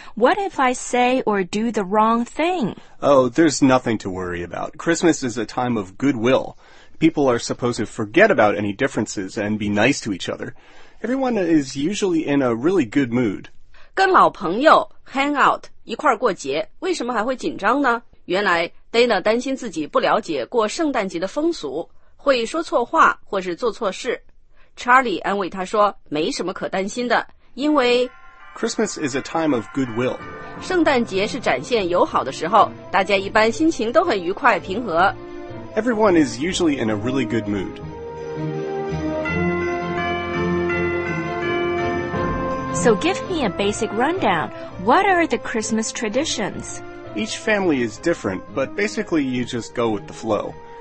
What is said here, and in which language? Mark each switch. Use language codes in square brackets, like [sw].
[en] What if I say or do the wrong thing? Oh, there's nothing to worry about. Christmas is a time of goodwill. People are supposed to forget about any differences and be nice to each other. Everyone is usually in a really good mood. [zh] 跟老朋友 [en] hang out [zh] 一块过节，为什么还会紧张呢？原来 Dana 担心自己不了解过圣诞节的风俗，会说错话或是做错事。 Charlie 安慰他说没什么可担心的，因为 [en] Christmas is a time of goodwill， [zh] 圣诞节是展现友好的时候，大家一般心情都很愉快平和。 [en] Everyone is usually in a really good mood. So give me a basic rundown. What are the Christmas traditions? Each family is different, but basically you just go with the flow.